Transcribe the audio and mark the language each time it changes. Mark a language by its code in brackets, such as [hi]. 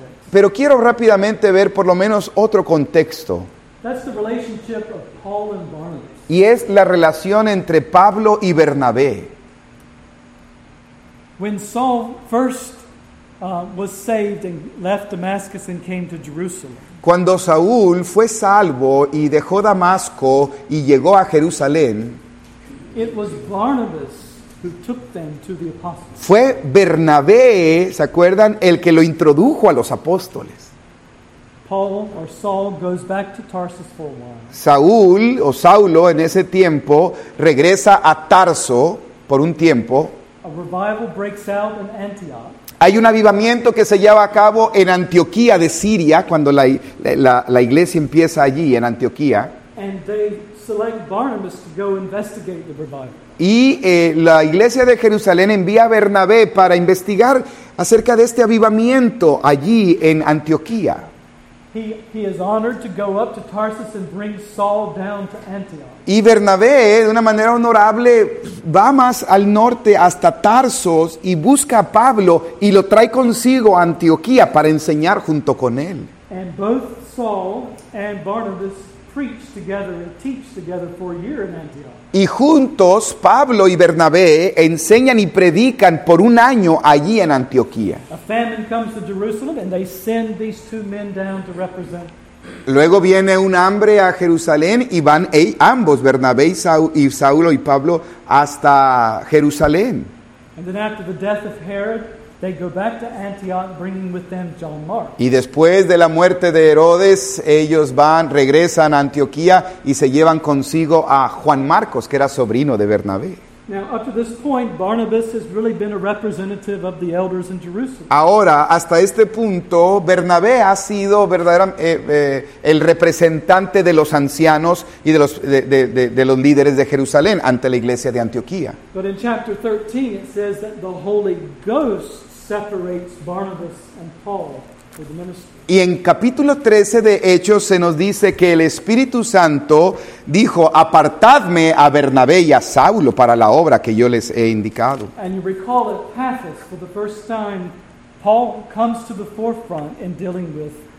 [es] Pero quiero rápidamente ver por lo menos otro contexto. [en] That's the relationship of Paul and Barnabas. [es] Y es la relación entre Pablo y Bernabé. [en] When Saul first was saved and left Damascus and came to Jerusalem. [es] Cuando Saúl fue salvo y dejó Damasco y llegó a Jerusalén, [en] it was Barnabas who took them to the apostles. [es] Fue Bernabé, ¿se acuerdan?, el que lo introdujo a los apóstoles. [en] Paul or Saul goes back to Tarsus for a while. [es] Saúl o Saulo en ese tiempo regresa a Tarso. por un tiempo. [en] A revival breaks out in Antioch. [es] Hay un avivamiento que se lleva a cabo en Antioquía de Siria, cuando la iglesia empieza allí, en Antioquía. [en] And they select Barnabas to go investigate the revival. [es] Y la iglesia de Jerusalén envía a Bernabé para investigar acerca de este avivamiento allí en Antioquía. [en] He is honored to go up to Tarsus and bring Saul down to Antioch. [es] Y Bernabé, de una manera honorable, va más al norte hasta Tarsos y busca a Pablo y lo trae consigo a Antioquía para enseñar junto con él. [en] And both Saul and Barnabas preach together and teach together for a year in Antioch. [es] Y juntos Pablo y Bernabé enseñan y predican por un año allí en Antioquía. [en] A famine comes to Jerusalem and they send these two men down to represent. [es] Luego viene un hambre a Jerusalén y van ambos, Bernabé y Saulo y Pablo, hasta Jerusalén. [en] And then after the death of Herod, they go back to Antioch, bringing with them John Mark. [es] Y después de la muerte de Herodes, ellos van, regresan a Antioquía y se llevan consigo a Juan Marcos, que era sobrino de Bernabé. [en] Now, up to this point, Barnabas has really been a representative of the elders in Jerusalem. [es] Ahora, hasta este punto, Bernabé ha sido verdaderamente el representante de los ancianos y de los líderes de Jerusalén ante la iglesia de Antioquía. [en] But in chapter 13, it says that the Holy Ghost separates Barnabas and Paul for the ministry. [es] Y en capítulo 13 de Hechos se nos dice que el Espíritu Santo dijo: apartadme a Bernabé y a Saulo para la obra que yo les he indicado. [en] And you recall at Paphos, for the first time, Paul comes to the forefront in dealing with